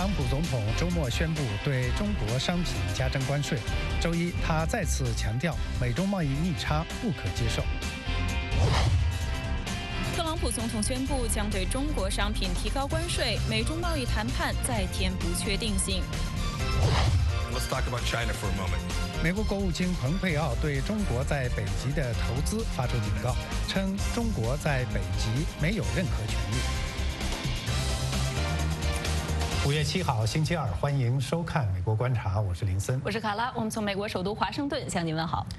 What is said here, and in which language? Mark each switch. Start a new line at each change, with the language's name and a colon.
Chinese: 总统周末宣布对中国商品加征关税。周一，他再次强调美中贸易逆差不可接受。特朗普总统宣布将对中国商品提高关税，美中贸易谈判再添不确定性。
English: Let's talk about China for a moment.
Chinese: 美国国务卿蓬佩奥对中国在北极的投资发出警告，称中国在北极没有任何权利。 5月7号，星期二，欢迎收看《美国观察》，我是林森，我是卡拉，我们从美国首都华盛顿向您问好。